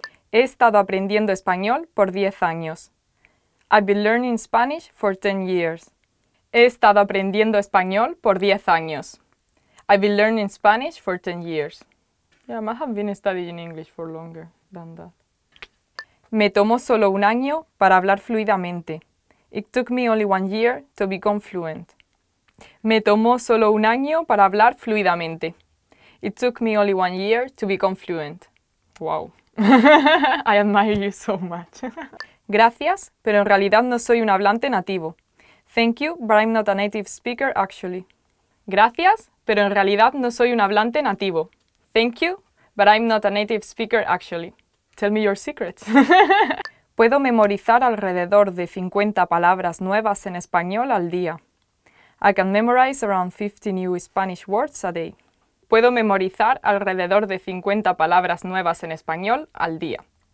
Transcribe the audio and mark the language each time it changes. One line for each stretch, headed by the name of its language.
Spanish: He estado aprendiendo español por 10 años.
English: I've been learning Spanish for 10 years.
Spanish: He estado aprendiendo español por 10 años.
English: I've been learning Spanish for 10 years. Yeah, I might have been studying English for longer than that.
Spanish: Me tomó solo un año para hablar fluidamente.
English: It took me only 1 year to become fluent.
Spanish: Me tomó solo un año para hablar fluidamente.
English: It took me only 1 year to become fluent. Wow. I admire you so much.
Spanish: Gracias, pero en realidad no soy un hablante nativo.
English: Thank you, but I'm not a native speaker, actually.
Spanish: Gracias, pero en realidad no soy un hablante nativo.
English: Thank you, but I'm not a native speaker, actually. Tell me your secrets.
Spanish: Puedo memorizar alrededor de 50 palabras nuevas en español al día.
English: I can memorize around 50 new Spanish words a day.
Spanish: Puedo memorizar alrededor de 50 palabras nuevas en español al día.